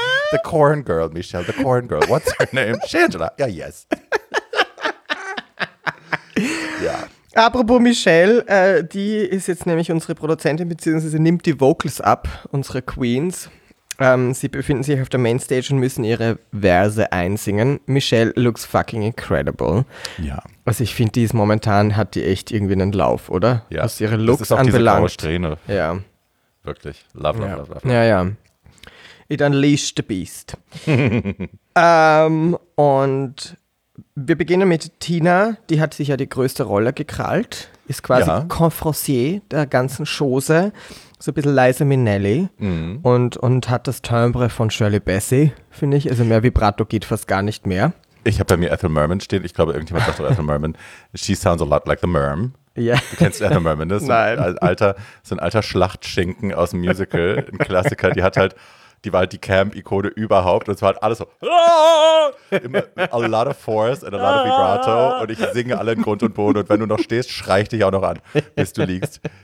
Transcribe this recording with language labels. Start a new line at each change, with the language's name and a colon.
English: The corn girl, Michelle, the corn girl. What's her name? Shangela. Yeah, yes.
German: Ja. Apropos Michelle, die ist jetzt nämlich unsere Produzentin, beziehungsweise nimmt die Vocals ab, unsere Queens. Sie befinden sich auf der Mainstage und müssen ihre Verse einsingen.
English: Michelle looks fucking incredible.
German: Ja. Also ich finde, die ist momentan, hat die echt irgendwie einen Lauf, oder? Ja. Was ihre Looks anbelangt. Das ist auch diese graue Strähne. Ja. Wirklich.
English: Love, love,
German: ja.
English: Love, love, love.
German: Ja, ja.
English: It unleashed the beast.
German: und wir beginnen mit Tina. Die hat sich ja die größte Rolle gekrallt. Ist quasi ja. Confrontier der ganzen Chose. So ein bisschen Liza Minnelli. Mhm. Und hat das Timbre von Shirley Bassey, finde ich. Also mehr Vibrato geht fast gar nicht mehr. Ich habe bei mir Ethel Merman stehen. Ich glaube, irgendjemand sagt so Ethel Merman.
English: She sounds a lot like the Merm.
German: Ja. Du kennst Ethel Merman, ne? Nein. So ein alter Schlachtschinken aus dem Musical. Ein Klassiker. Die hat halt, die war halt die Camp-Ikone überhaupt. Und es war halt alles so.
English: Immer, a lot of force and a lot of vibrato.
German: Und ich singe alle in Grund und Boden. Und wenn du noch stehst, schrei ich dich auch noch an, bis du liegst.